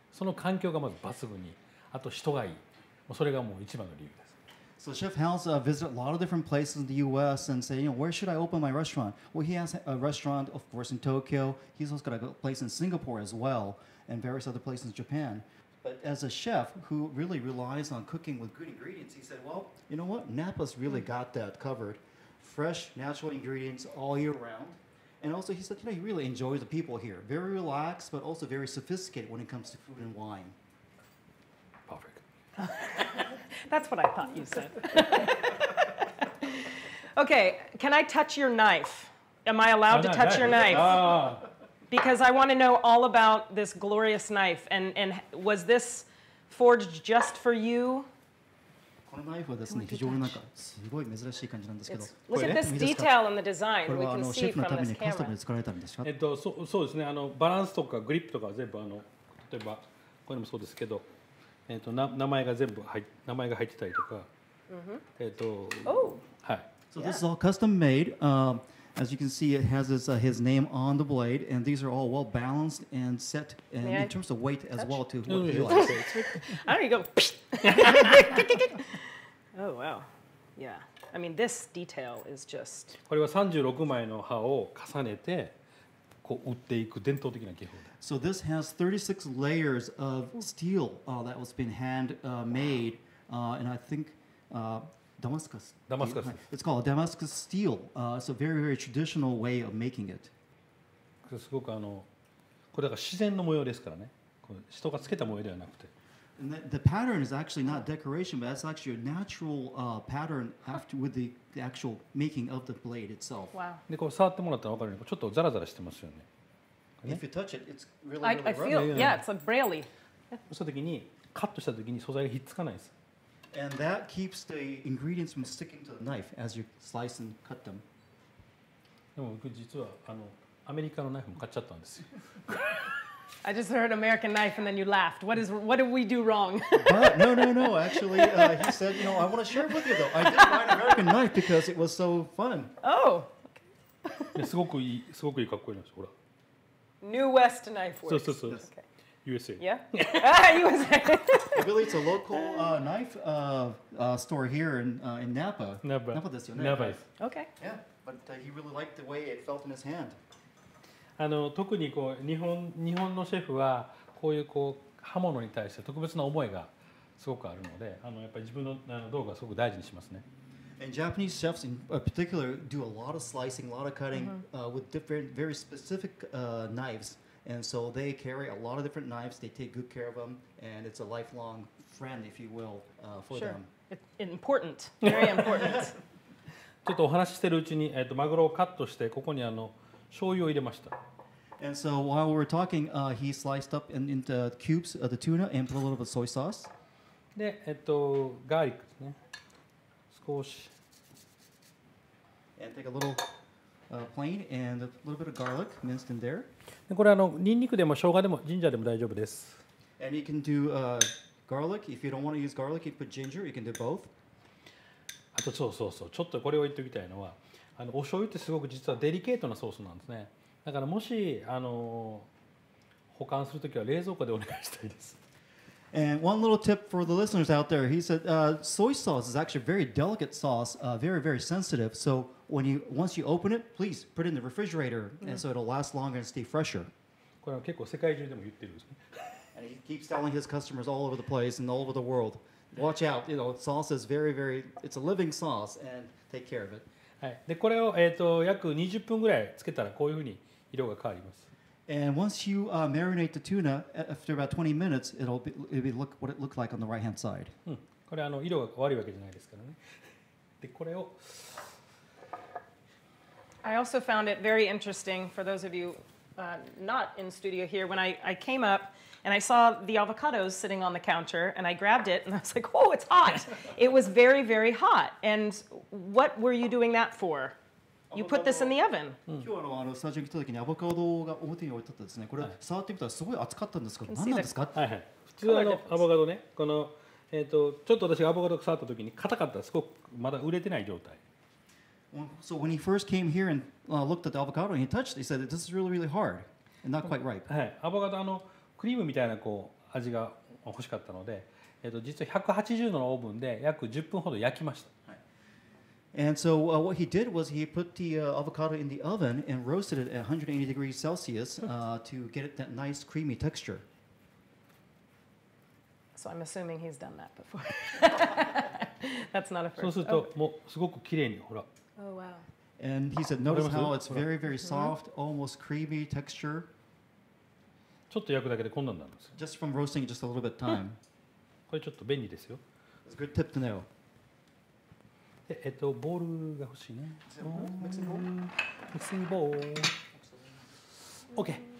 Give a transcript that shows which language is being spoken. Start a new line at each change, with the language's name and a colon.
Japanese: その環境がまず抜群に、あと人がいい、それがもう一番の理由です。
English: So Chef Hals visited a lot of different places in the U.S. and said, you know, where should I open my restaurant? Well, he has a restaurant, of course, in Tokyo. He's also got a place in Singapore as well and various other places in Japan. But as a chef who really relies on cooking with good ingredients, he said, well, you know what? Napa's really got that covered. Fresh, natural ingredients all year round. And also he said, you know, he really enjoys the people here. Very relaxed, but also very sophisticated when it comes to food and wine. Perfect. That's what I thought you said. Okay, can I touch your knife? Am I allowed to touch your knife? Because I want to know all about this glorious knife. And was this forged just for you?
Japanese: このナイフはですね、非常になんかすごい珍しい感じなんですけど、これはシェフのためにカスタムで作られたんですか？そうですね、バランスとかグリップとかは全部例えばこれもそうですけど、名前が全部名前が入ってたりとか、はい。
English: So this is all custom made. As you can see, it has his name on the blade, and these are all well balanced and set and in terms of weight as well to what he likes. There you go. Oh wow, yeah. I mean, this detail is just.
Japanese: これは36枚の刃を重ねてこう打っていく伝統的な技法だ。
English: So this has 36 layers of steel that was been hand made, and I think Damascus. Damascus. It's called Damascus steel. It's a very very traditional way of making it.
Japanese: すごくこれだから自然の模様ですからね。人がつけた模様ではなくて。
English: And the pattern is actually not decoration, but that's actually a natural pattern after with the actual making of the blade itself. Wow.
Japanese: でこう触ってもらったら分かるように、ちょっとザラザラしてますよね。
English: If you touch it, it's really, really rough. I feel, yeah, it's like braille.
Japanese: そうした時に、カットした時に素材がひっつかないです。
English: And that keeps the ingredients from sticking to the knife as you slice and cut them.
Japanese: でも僕実はアメリカのナイフも買っちゃったんですよ。
English: I just heard American knife and then you laughed. What did we do wrong? No. Actually, he said, you know, I want to share it with you though. I did buy an American knife because it was so fun. Oh, okay.
Japanese: すごくいい、すごくいいかっこいいです。ほら。
English: New West knife works. So. Okay. USA. Yeah? USA. Really, it's a local knife store here in Napa. Napa
Japanese: ですよね。
English: Napa. Okay. Yeah, but he really liked the way it felt in his hand.
Japanese: 特にこう日本のシェフはこういう、こう刃物に対して特別な思いがすごくあるので、やっぱり自分の道具はすごく大事にしますね。
English: And Japanese chefs in particular do a lot of slicing, a lot of cutting、with different, very specific knives. And so they carry a lot of different knives, they take good care of them, and it's a lifelong friend, if you will, for sure. them. Important, very important.
Japanese: ちょっとお話ししてるうちに、マグロをカットして、ここに醤油を入れました。
English: And so while we were talking, he sliced up into cubes of the tuna and put a little bit of soy sauce.
Japanese: で、ガーリックですね。少し。
English: and take a little plain and a little bit of garlic minced in there.
Japanese: でこれニンニクでも生姜でもジンジャーでも大丈夫です。
English: And you can do garlic. If you don't want to use garlic, you put ginger. You can do both.
Japanese: あとそう。ちょっとこれを言っておきたいのは、お醤油ってすごく実はデリケートなソースなんですね。だからもし保管するときは冷蔵庫でお願いしたいです。
English: And one little tip for the listeners out there, he said, soy sauce is actually a very delicate sauce, very, very sensitive. So when you, once you open it, please put it in the refrigerator, and so it'll last longer and stay fresher.
Japanese: これは結構世界中でも言ってるんですね。
English: And he keeps telling his customers all over the place and all over the world, watch out, you know, sauce is very, very, it's a living sauce, and take care of it.
Japanese: はい。で、これを約20分ぐらいつけたらこういうふうに色が変わります。
English: And once you marinate the tuna after about 20 minutes, it'll be look what it looked like on the right hand side.
Japanese: これ色が悪いわけじゃないですからね。で、これを。
English: I also found it very interesting for those of you not in studio here. When I came up and I saw the avocados sitting on the counter and I grabbed it and I was like, oh, it's hot. It was very, very hot. And what were you doing that for? You put this in the oven.
Japanese: 今日スタジオに来た時にアボカドが表に置いてあったですね。これ触ってみたらすごい熱かったんですけど、何なんですか？はいはい。普通のアボカドね、このちょっと私がアボカド触った時に硬かった、すごくまだ売れてない状態。
English: So when he first came here and looked at the avocado and he touched, he said this is really really hard and not quite ripe.
Japanese: はい。アボカドクリームみたいなこう味が欲しかったので、実は180度のオーブンで約10分ほど焼きました。
English: And so what he did was he put the avocado in the oven and roasted it at 180 degrees Celsius to get it that nice creamy texture. So I'm assuming he's done that before. That's not a first.
Japanese: そうすると、もうすごく綺麗に、ほら。
English: Oh, wow. And he said, notice how it's very, very soft, almost creamy texture.
Japanese: ちょっと焼くだけでこんなんなんです。
English: Just from roasting just a little bit of time.
Japanese: これちょっと便利ですよ。
English: It's a good tip to know.
Japanese: ボールが欲しいね。ミキシングボール。OK。